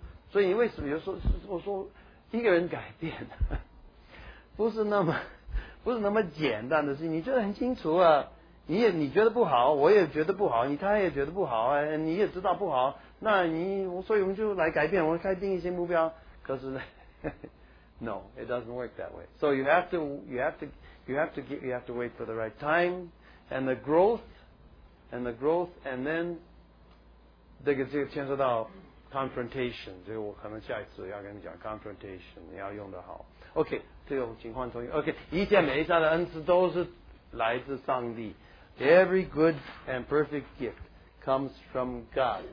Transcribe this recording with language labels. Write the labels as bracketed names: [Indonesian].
[Chinese] 所以为什么我说一个人改变不是那么简单的事情？你觉得很清楚啊，你觉得不好，我也觉得不好，你他也觉得不好，你也知道不好，那你所以我们就来改变，我们开定一些目标。可是呢 [English] No, it doesn't work that way. So you have to wait for the right time and the growth and then [Chinese] 这个牵涉到 confrontation， 这个我可能下一次要跟你讲 confrontation， 你要用得好。 OK， 这个情况同意。 OK， 一切美善的恩赐都是来自上帝。 [English] Every good and perfect gift comes from God.